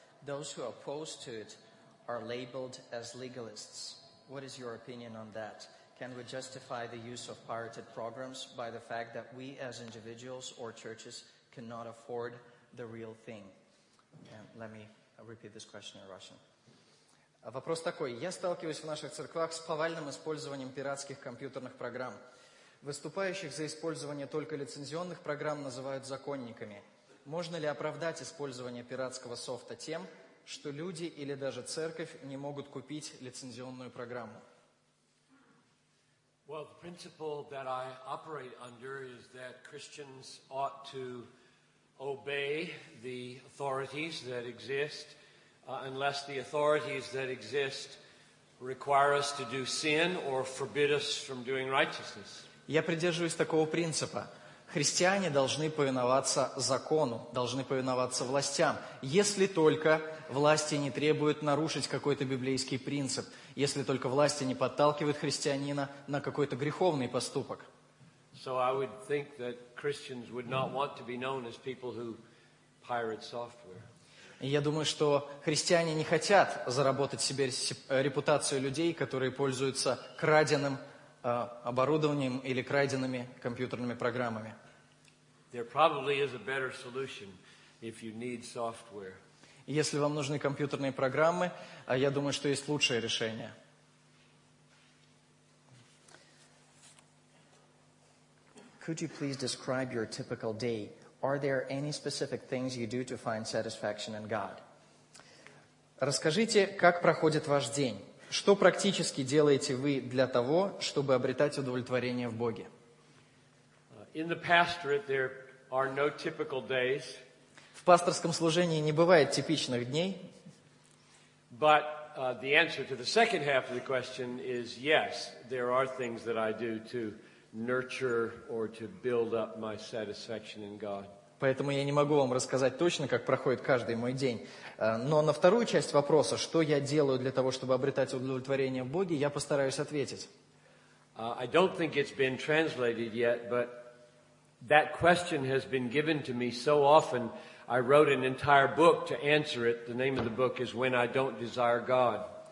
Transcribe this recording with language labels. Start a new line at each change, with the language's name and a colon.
English: Those who oppose to it are labeled as legalists. What is your opinion on that? Can we justify the use of pirated programs by the fact that we as individuals or churches cannot afford the real thing? And let me repeat this question in Russian.
Russian: Вопрос такой. Я сталкиваюсь в наших церквях с повальным использованием пиратских компьютерных программ. Выступающих за использование только лицензионных программ называют законниками. Можно ли оправдать использование пиратского софта тем, что люди или даже церковь не могут купить лицензионную программу?
English: Well, the principle that I operate under is that Christians ought to obey the authorities that exist, unless the authorities that exist require us to do sin or forbid us from doing righteousness.
Russian: Я придерживаюсь такого принципа. Христиане должны повиноваться закону, должны повиноваться властям, если только власти не требуют нарушить какой-то библейский принцип, если только власти не подталкивают христианина на какой-то греховный поступок.
English: So I would think that Christians would not want to be known as people who pirate software.
Russian: Я думаю, что христиане не хотят заработать себе репутацию людей, которые пользуются краденым оборудованием или краденными компьютерными программами.
English: There probably is a better solution if you need software.
Russian: Если вам нужны компьютерные программы, я думаю, что есть лучшее решение.
English: Could you please describe your typical day? Are there any specific things you do to find satisfaction in God?
Russian: Расскажите, как проходит ваш день. Что практически делаете вы для того, чтобы обретать удовлетворение в Боге?
English: In the pastorate there are no typical days.
Russian: В пасторском служении не бывает типичных дней.
English: But the answer to the second half of the question is yes, there are things that I do to nurture or to build up my satisfaction in God.
Russian: Поэтому я не могу вам рассказать точно, как проходит каждый мой день. Но на вторую часть вопроса, что я делаю для того, чтобы обретать удовлетворение в Боге, я постараюсь ответить.
English: I don't think it's been translated yet, but that question has been given to me so often, I wrote an entire book to answer it. The name of the book is When I Don't Desire God.